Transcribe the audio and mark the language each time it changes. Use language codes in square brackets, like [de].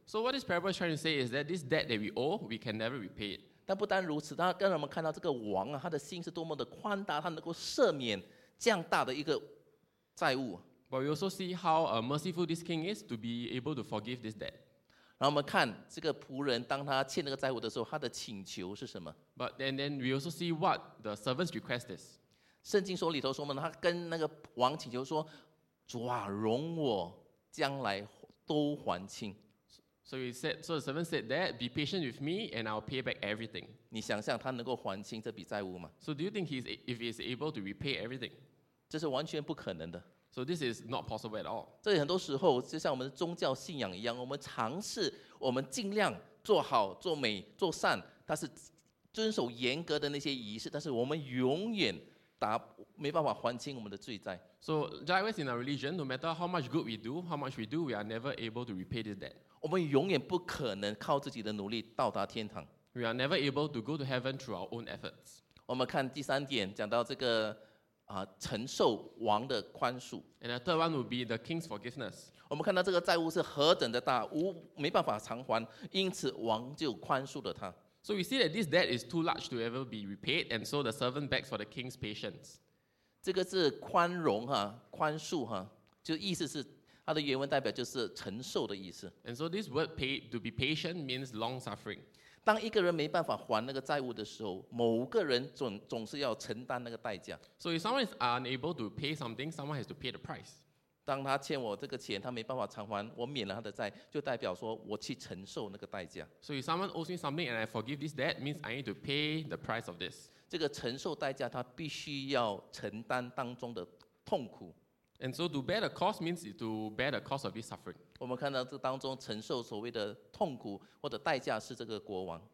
[en] So what this parable is trying to say is that this debt that we owe, we can never repay it. [zh] 但不单如此，他让我们看到这个王他的心是多么的宽大，他能够赦免。这样大的一个债务 [en] ，But we also see how merciful this king is to be able to forgive this debt. [zh] 然后我们看这个仆人，当他欠那个债务的时候，他的请求是什么 [en] ？But then we also see what the servant's request is. [zh] 圣经说里头说嘛，他跟那个王请求说：“主啊，容我将来都还清。” [en] So the servant said that, "Be patient with me, and I'll pay back everything." [zh] 你想象他能够还清这笔债务吗 [en] ？So do you think he's able to repay everything? [zh] 这是完全不可能的。 [en] So this is not possible at all. [zh] 这里很多时候，就像我们的宗教信仰一样，我们尝试，我们尽量做好、做美、做善，但是遵守严格的那些仪式，但是我们永远没办法还清我们的罪债。 [en] So likewise in our religion, no matter how much good we do, how much we do, we are never able to repay this debt. [zh] 我们永远不可能靠自己的努力到达天堂。 [en] We are never able to go to heaven through our own efforts. [zh] 我们看第三点，讲到这个承受王的宽恕。 [en] And the third one would be the king's forgiveness. [zh] 我们看到这个债务是何等的大，没办法偿还，因此王就宽恕了他。 [en] So we see that this debt is too large to ever be repaid, and so the servant begs for the king's patience. [zh] 这个是宽容宽恕就意思是。它的原文代表就是承受的意思。 [en] And so this word to be patient means long suffering. [zh] 当一个人没办法还那个债务的时候，某个人总是要承担那个代价。 [en] So if someone is unable to pay something, someone has to pay the price. [zh] 当他欠我这个钱，他没办法偿还，我免了他的债，就代表说我去承受那个代价。 [en] So if someone owes me something and I forgive this debt, means I need to pay the price of this. [zh] 这个承受代价，他必须要承担当中的痛苦。 [en] And so to bear the cost means to bear the cost of this suffering. [zh] 我们看到这当中承受所谓的痛苦或者代价是这个国王。